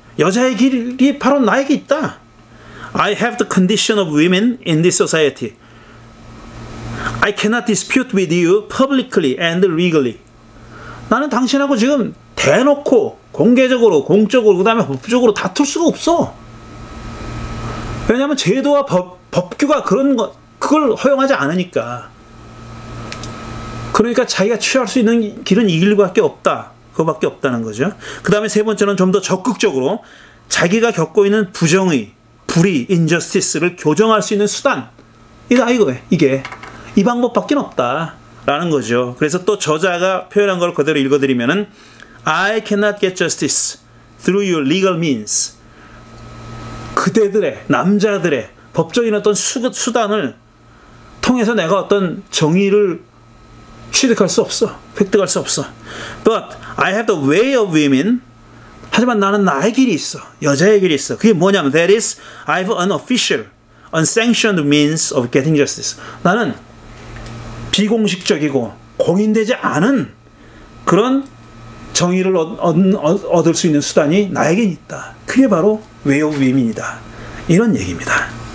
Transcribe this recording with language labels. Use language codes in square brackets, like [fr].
[ko] 여자의 길이 바로 나에게 있다. [en] I have the condition of women in this society. I cannot dispute with you publicly and legally. [ko] 나는 당신하고 지금 대놓고 공개적으로 공적으로 그 다음에 법적으로 다툴 수가 없어. 왜냐하면 제도와 법규가 그런 것 그걸 허용하지 않으니까. 그러니까 자기가 취할 수 있는 길은 이 길밖에 없다. 그거밖에 없다는 거죠. 그 다음에 세 번째는 좀 더 적극적으로 자기가 겪고 있는 부정의, 불의, injustice를 교정할 수 있는 수단이다 이거예요. 이게 이 방법밖에 없다라는 거죠. 그래서 또 저자가 표현한 걸 그대로 읽어드리면은 [en] I cannot get justice through your legal means. [ko] 그대들의, 남자들의 법적인 어떤 수단을 통해서 내가 어떤 정의를 취득할 수 없어. 획득할 수 없어. [en] But I have the way of women. [ko] 하지만 나는 나의 길이 있어. 여자의 길이 있어. 그게 뭐냐면 [en] That is, I have an official, unsanctioned means of getting justice. [ko] 나는 비공식적이고 공인되지 않은 그런 정의를 얻을 수 있는 수단이 나에겐 있다. 그게 바로 way of women이다. 이런 얘기입니다.